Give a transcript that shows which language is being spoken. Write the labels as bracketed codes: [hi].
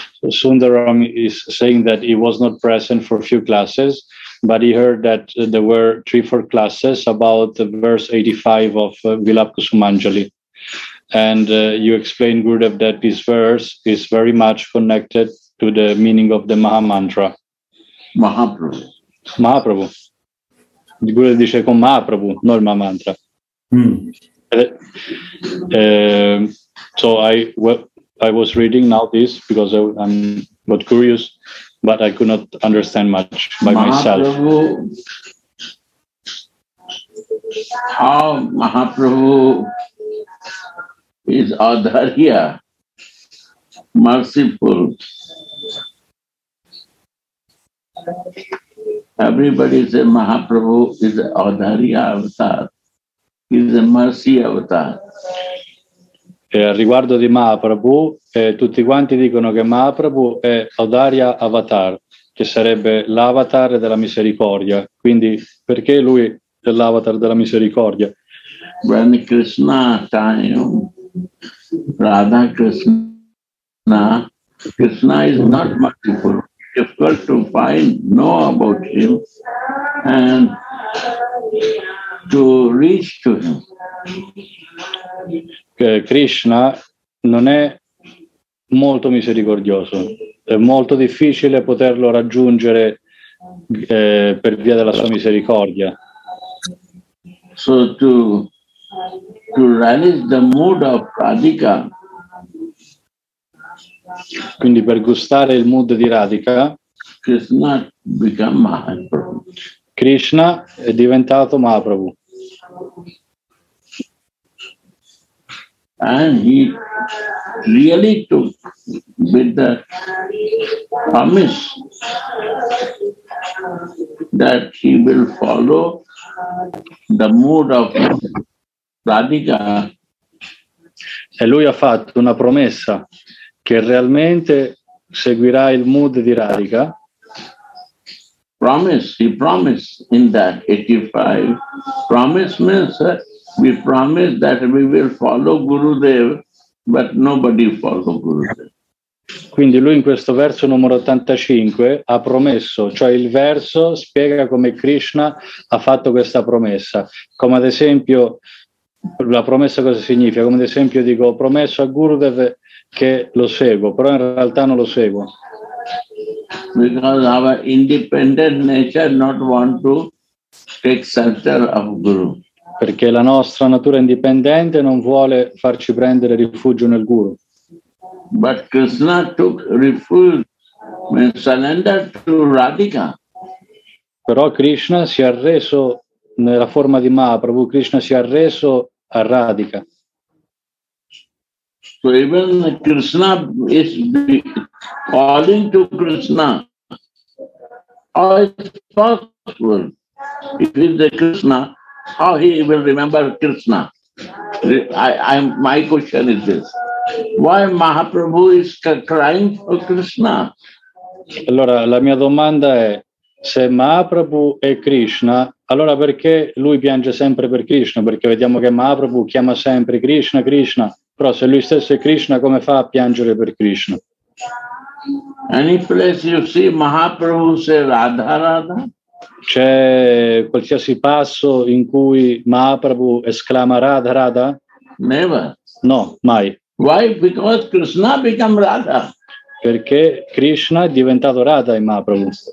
[en] Sundaram is saying that he was not present for a few classes, but he heard that there were 3-4 classes about verse 85 of Vilakku Sumanjali. And you explained, Gurudev, that this verse is very much connected to the meaning of the Mahamantra. Mahaprabhu. [it] Di quello che dice con Mahaprabhu, non il Mahamantra. [en] So I was reading now this because I'm not curious, but I could not understand much by myself. How Mahaprabhu is Adharya, merciful. Everybody say Mahaprabhu is Adharya avatar, is a mercy avatar. [it] Riguardo di Mahaprabhu, tutti quanti dicono che Mahaprabhu è Adharya avatar, che sarebbe l'avatar della misericordia. Quindi perché lui è l'avatar della misericordia? [en] When Krishna time, Radha Krishna, Krishna is not merciful. Difficult to find, know about him and to reach to him. [it] Krishna non è molto misericordioso, è molto difficile poterlo raggiungere per via della sua misericordia. [en] So to relish the mood of Radhika. [it] Quindi per gustare il mood di Radhika, [en] Krishna become Mahaprabhu. [it] Krishna è diventato Mahaprabhu. [en] And he really took with the promise that he will follow the mood of Radhika. [it] E lui ha fatto una promessa che realmente seguirà il mood di Radhika. [en] Promise, he promised in that 85. Promise means we promise that we will follow Gurudev, but nobody follow Gurudev. [it] Quindi lui in questo verso numero 85 ha promesso, cioè il verso spiega come Krishna ha fatto questa promessa. Come ad esempio, la promessa cosa significa? Come ad esempio dico, ho promesso a Gurudev che lo seguo, però in realtà non lo seguo. [en] Because our independent nature not want to take shelter of Guru. [it] Perché la nostra natura indipendente non vuole farci prendere rifugio nel Guru. [en] But Krishna took refuge and surrendered to Radhika. [it] Però Krishna si è arreso nella forma di Mahaprabhu, Krishna si è arreso a Radhika. [en] So even Krishna is calling to Krishna. How is it possible? If it's the Krishna, how he will remember Krishna? My question is this. Why Mahaprabhu is crying for Krishna? [it] Allora, la mia domanda è, se Mahaprabhu è Krishna, allora perché lui piange sempre per Krishna? Perché vediamo che Mahaprabhu chiama sempre Krishna, Krishna. Però se lui stesso è Krishna, come fa a piangere per Krishna? [en] Any place you see Mahaprabhu say Radha Radha? [it] C'è qualsiasi passo in cui Mahaprabhu esclama Radha Radha? [en] Never. [it] No, mai. [en] Why? Because Krishna become Radha. [it] Perché Krishna è diventato Radha in Mahaprabhu.